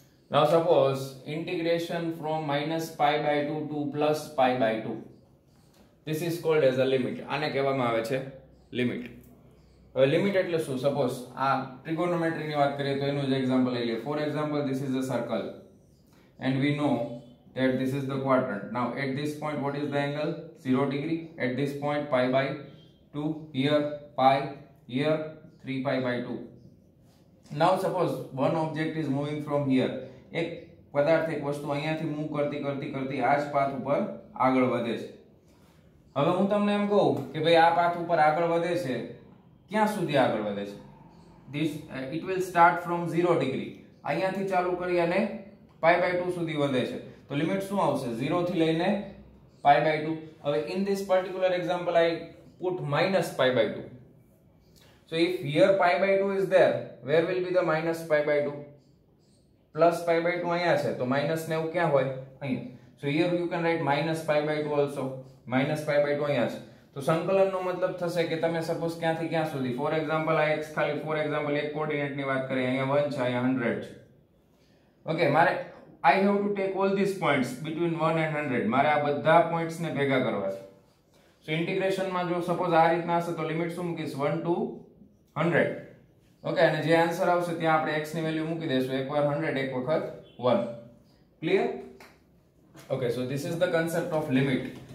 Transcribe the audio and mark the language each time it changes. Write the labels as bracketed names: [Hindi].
[English] Now suppose integration from minus pi by two to plus pi by two. This is called as a limit. [Gujarati] આને કહેવામાં આવે છે limit. હવે limit એટલે શું? સપોઝ આ ટ્રિગોનોમેટ્રીની વાત કરીએ તો એનું જ એક્ઝામ્પલ લઈ લઈએ. [English] For example, this is a circle and we know that this is the quadrant. Now at this point what is the angle? 0 degree. At this point pi by 2, here pi, here 3 pi by 2. Now suppose one object is moving from here. [Gujarati] એક પદાર્થ, એક વસ્તુ અહીંયાથી move કરતી કરતી કરતી આ જ પાથ ઉપર આગળ વધે છે. હવે હું તમને એમ કહું કે ભાઈ આ પાથ ઉપર આગળ વધે છે, ક્યાં સુધી આગળ વધે છે? [English] This it will start from 0 degree. [Gujarati] અહીંયાથી ચાલુ કરી અને pi by 2 સુધી વધે છે. તો લિમિટ શું આવશે? 0 થી લઈને [English] Pi by 2. હવે in this particular example I put minus pi by 2. So if here pi by 2 is there, where will be the minus pi by 2? [Gujarati] Plus pi by 2 અહીંયા છે તો માઇનસ ને એવું ક્યાં હોય? અહીં. [English] So here you can write minus pi by 2 also. [Gujarati] Minus pi by 2 અહીંયા છે. તો સંકલનનો મતલબ થશે કે તમે સપોઝ ક્યાંથી ક્યાં સુધી. ફોર એક્ઝામ્પલ આ એક્સ, ખાલી ફોર એક્ઝામ્પલ એક કોઓર્ડિનેટની વાત કરીએ, અહીંયા 1 છે, અહીંયા 100 છે. [English] okay, [Gujarati] મારે [English] I have to take all these points between 1 and 100. [Gujarati] મારે આ બધા પોઈન્ટ્સ ને ભેગા કરવા છે. સો ઇન્ટિગ્રેશન માં જો સપોઝ આ રીતના હશે તો લિમિટ શું મૂકીશ? 1 ટુ 100. ઓકે, અને જે આન્સર આવશે ત્યાં આપણે x ની વેલ્યુ મૂકી દેશું, એકવાર 100 એક વખત 1. Clear? [English] Okay, so this is the concept of limit.